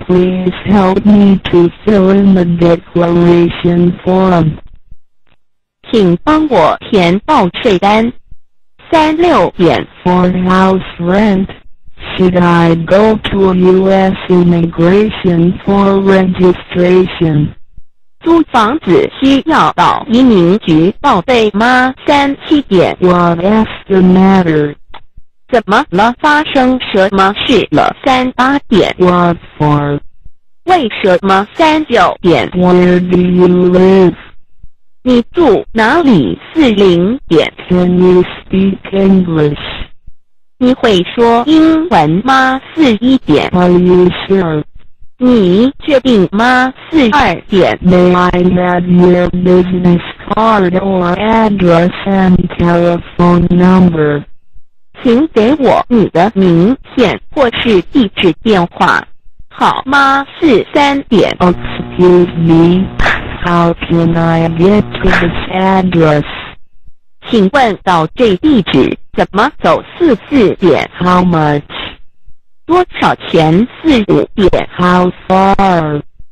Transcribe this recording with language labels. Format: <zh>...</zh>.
<en>Please help me to fill in the declaration form.</en> <zh>请帮我填报税单。三六点。</zh> <en>For house rent, should I go to U.S. immigration for registration?</en> <zh>租房子需要到移民局报备吗？三七点。</zh> <en>What is the matter?</en> <zh>怎么了？发生什么事了？三八点。</zh> <en>What for?</en> <zh>为什么？三九点。</zh> <en>Where do you live?</en> <zh>你住哪里？四零点。</zh> <en>Can you speak English?</en> <zh>你会说英文吗？四一点。</zh> <en>Are you sure?</en> <zh>你确定吗？四二点。</zh> <en>May I have your business card or address and telephone number?</en> <zh>请给我你的名片或是地址电话好吗？四三点。</zh> <en>Excuse me, how can I get to this address?</en> <zh>请问到这地址怎么走？四四点。</zh> <en>How much?</en> <zh>多少钱？四五点。</zh> <en>How far?</en>